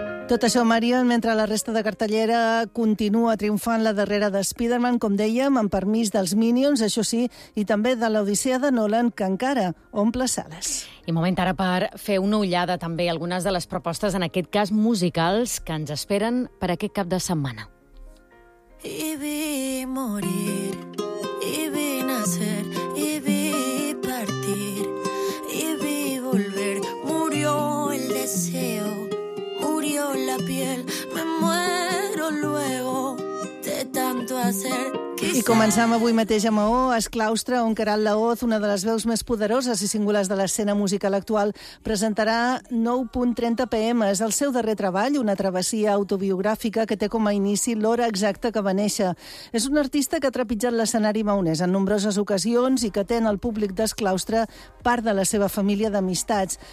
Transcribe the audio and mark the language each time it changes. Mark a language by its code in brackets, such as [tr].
[ca] Tot això, Marion, mentre la resta de cartellera continua triomfant la darrera de Spider-Man, com dèiem, amb permís dels Minions, això sí, i també de l'Odissea de Nolan, que encara omple sales. I moment ara per fer una ullada també a algunes de les propostes, en aquest cas musicals, que ens esperen per aquest cap de setmana. [es] I vi morir, i vi nacer, i vi partir, i vi volver, murió el deseo. Murió la piel, me muero luego de tanto hacer. [ca] I començam avui mateix a Maó, es claustre, on Queralt Lahoz, una de les veus més poderoses i singulars de l'escena musical actual, presentarà 9.30 PM. És el seu darrer treball, una travessia autobiogràfica que té com a inici l'hora exacta que va néixer. És un artista que ha trepitjat l'escenari maonès en nombroses ocasions i que té en el públic d'Esclaustre part de la seva família d'amistats.